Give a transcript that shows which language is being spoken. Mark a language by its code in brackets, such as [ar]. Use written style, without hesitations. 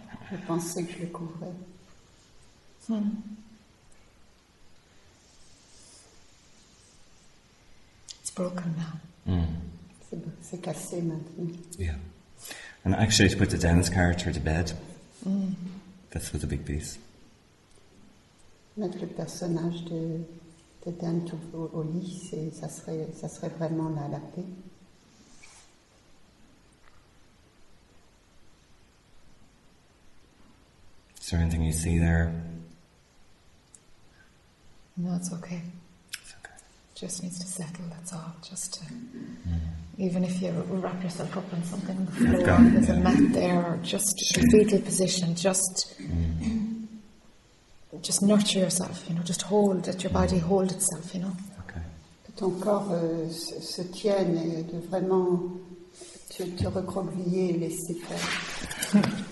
[fr] Je pensais que je le couvrais. [en] It's broken now. [fr] C'est cassé maintenant. [en] Yeah. And actually, to put the dance character to bed, this was a big piece. [fr] Mettre le personnage de Dan au lit, ça serait vraiment la paix. [en] Is there anything you see there? No, it's okay. It's okay. Just needs to settle, that's all. Just to, even if you wrap yourself up in something on the floor, there's a mat there, or just the fetal position, just nurture yourself, you know, just hold it, your body hold itself, you know. Okay. [fr] Ton corps se tienne et de vraiment te recroqueviller et laisser faire.